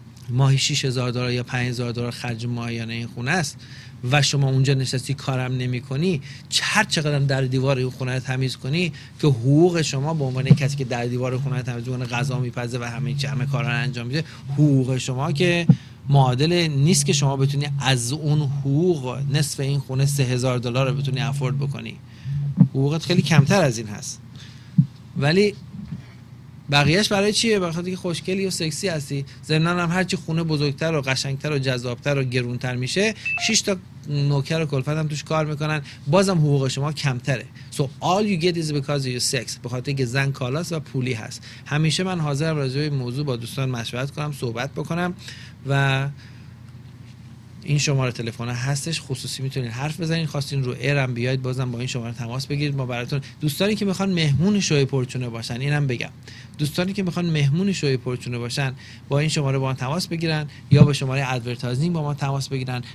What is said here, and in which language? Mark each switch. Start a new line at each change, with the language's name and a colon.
Persian: ماهی 6000 دلار یا 5000 دلار خرج ماهیانه این خونه است و شما اونجا نشستی کارم نمی کنی، هر چقدر در دیوار خونه رو تمیز کنی که حقوق شما به عنوان کسی که در دیوار خونه رو تمیز کنه، غذا میپزه و همه کارا رو انجام میده، حقوق شما که معادل نیست که شما بتونی از اون حقوق نصف این خونه 3000 دلار رو بتونی افورد بکنی، حقوقت خیلی کمتر از این هست. ولی بقیهش برای چیه؟ برای خاطر که خوشگلی و سکسی هستی. ضمناً هم هرچی خونه بزرگتر و قشنگتر و جذابتر و گرونتر میشه 6 تا نوکر و کلفت هم توش کار میکنن، بازم حقوق شما کمتره.
English: So all you get is because of your sex.
Persian: به خاطر که زن کالاست و پولی هست. همیشه من حاضرم راجع به این موضوع با دوستان مشورت کنم، صحبت بکنم و این شماره تلفن هستش، خصوصی میتونید حرف بزنید، خواستین رو ایرم بیاید بازم با این شماره تماس بگیرید. ما براتون دوستانی که میخوان مهمون شوی پرچونه باشن، اینم بگم دوستانی که میخوان مهمون شوی پرچونه باشن با این شماره با ما تماس بگیرن یا با شماره ادورتایزینگ با ما تماس بگیرن.